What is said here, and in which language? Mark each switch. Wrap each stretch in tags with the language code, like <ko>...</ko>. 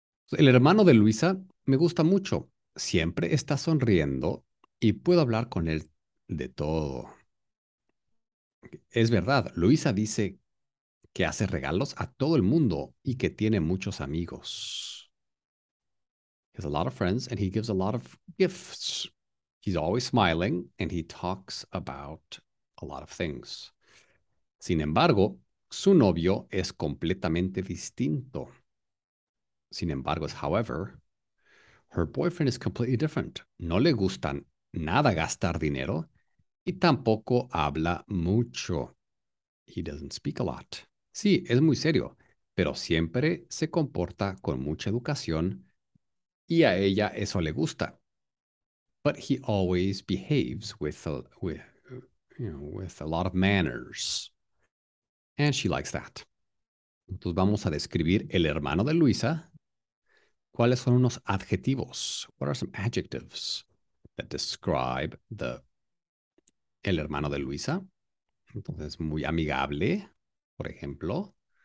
<es>El hermano de Luisa me gusta mucho. Siempre está sonriendo y puedo hablar con él de todo. Es verdad, Luisa dice que hace regalos a todo el mundo y que tiene muchos amigos.</es> <en>He has a lot of friends and he gives a lot of gifts. He's always smiling and he talks about a lot of things.</en> <es>Sin embargo, su novio es completamente distinto. Sin embargo, es</es> <en>however, her boyfriend is completely different.</en> <es>No le gusta nada gastar dinero. Y tampoco habla mucho.</es> <en>He doesn't speak a lot.</en> <es>Sí, es muy serio, pero siempre se comporta con mucha educación y a ella eso le gusta.</es> <en>But he always behaves with a lot of manners. And she likes that.</en> <es>Entonces vamos a describir el hermano de Luisa. ¿Cuáles son unos adjetivos?</es> <en>What are some adjectives that describe</en> <es>el hermano de Luisa? Entonces, muy amigable, por ejemplo.</es>